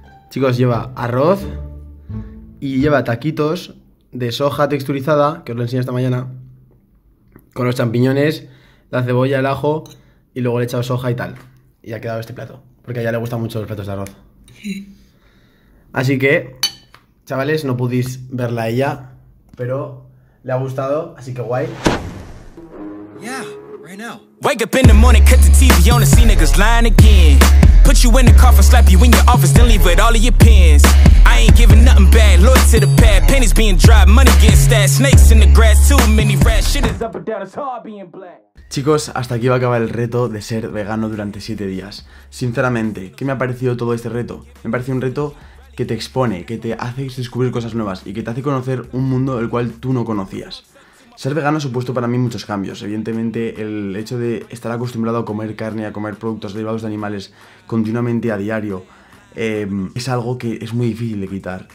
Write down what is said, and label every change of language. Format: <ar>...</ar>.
<es>Chicos, lleva arroz y lleva taquitos de soja texturizada, que os lo enseñé esta mañana, con los champiñones, la cebolla, el ajo, y luego le he echado soja y tal. Y ha quedado este plato, porque a ella le gustan mucho los platos de arroz. Así que, chavales, no pudís verla a ella, pero le ha gustado, así que guay.</es> <en>Wake up in the morning, cut the TV on and see niggas lying again. Put you in the car, slap you in your office, then leave with all of your pins. I ain't giving nothing back, loyal to the pad, pennies being dropped, money getting stashed, snakes in the grass, too many rats, shit is up and down, it's hard being black.</en> <es>Chicos, hasta aquí va a acabar el reto de ser vegano durante 7 días. Sinceramente, ¿qué me ha parecido todo este reto? Me parece un reto que te expone, que te hace descubrir cosas nuevas y que te hace conocer un mundo el cual tú no conocías. Ser vegano ha supuesto para mí muchos cambios. Evidentemente, el hecho de estar acostumbrado a comer carne, a comer productos derivados de animales continuamente a diario, es algo que es muy difícil de quitar.</es>